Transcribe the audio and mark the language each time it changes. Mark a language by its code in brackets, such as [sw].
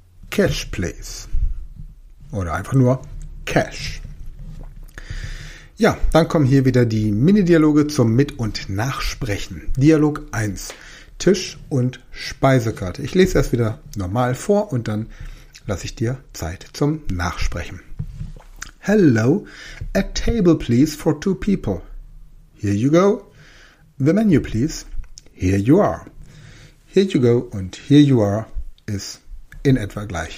[en] Cash, please. [de] Oder einfach nur Cash. Ja, dann kommen hier wieder die Mini-Dialoge zum Mit- und Nachsprechen. Dialog 1. Tisch und Speisekarte. Ich lese das wieder normal vor und dann lasse ich dir Zeit zum Nachsprechen. [en] Hello, a table please for two people. Here you go. The menu please. Here you are. Here you go [de] und [en] here you are [de] ist in etwa gleich.